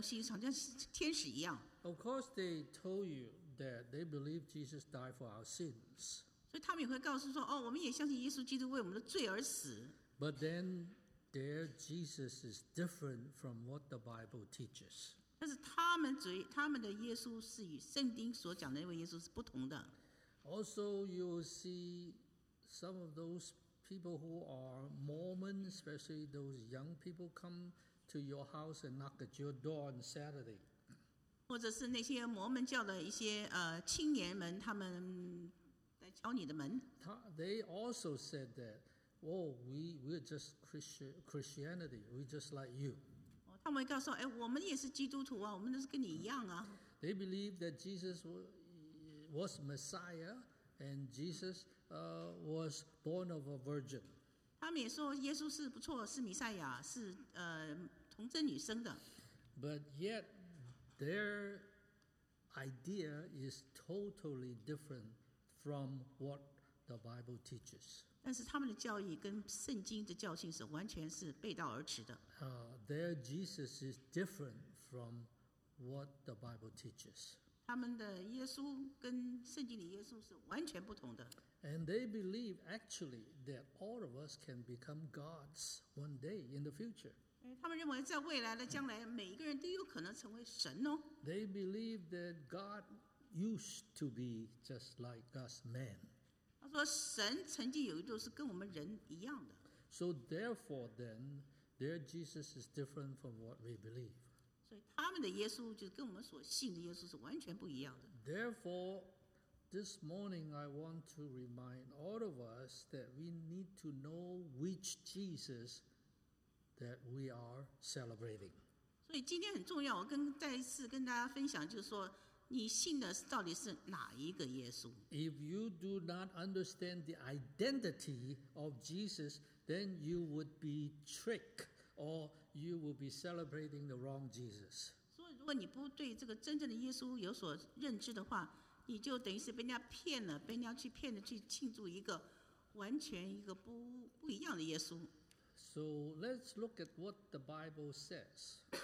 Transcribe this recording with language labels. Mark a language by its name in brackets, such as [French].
[English] So they believe Jesus is like a spirit, like an angel. Of course, they told you that they believe Jesus died for our sins. So they also tell you that they believe Jesus died for our sins. But then. Their Jesus is different from what the Bible teaches. [Chinese] 但是他们的耶稣是与圣经所讲的那位耶稣是不同的。 [English] Also, you will see some of those people who are Mormon, especially those young people, come to your house and knock at your door on Saturday. [Chinese] 或者是那些摩门教的一些青年们，他们来敲你的门。 [English] They also said that. Oh, we're just Christianity. We're just like you. [Chinese] 他们告诉我，哎，我们也是基督徒啊，我们都是跟你一样啊。 [English] They believe that Jesus was Messiah, and Jesus was born of a virgin. [Chinese] 他们也说耶稣是不错，是弥赛亚，是童贞女生的。 [English] But yet, their idea is totally different from what the Bible teaches. [Chinese] 但是他们的教义跟圣经的教训是完全是背道而驰的。 [English] Their Jesus is different from what the Bible teaches. [Chinese] 他们的耶稣跟圣经里耶稣是完全不同的。 [English] And they believe actually that all of us can become gods one day in the future. [Chinese] 他们认为在未来的将来，每一个人都有可能成为神哦。 [English] They believe that God used to be just like us men. [Chinese] 他说神曾经有一度是跟我们人一样的。 [English] So therefore then, their Jesus is different from what we believe. [Chinese] 所以他们的耶稣就跟我们所信的耶稣是完全不一样的。 [English] Therefore, this morning I want to remind all of us that we need to know which Jesus that we are celebrating. [Chinese] 所以今天很重要，我再一次跟大家分享就是说你信的到底是哪一个耶稣？ [English] If you do not understand the identity of Jesus, then you would be tricked or you will be celebrating the wrong Jesus. [Chinese] 所以如果你不对这个真正的耶稣有所认知的话，你就等于是被人家骗了，被人家去骗了，去庆祝一个完全一个不一样的耶稣。 [English] So let's look at what the Bible says.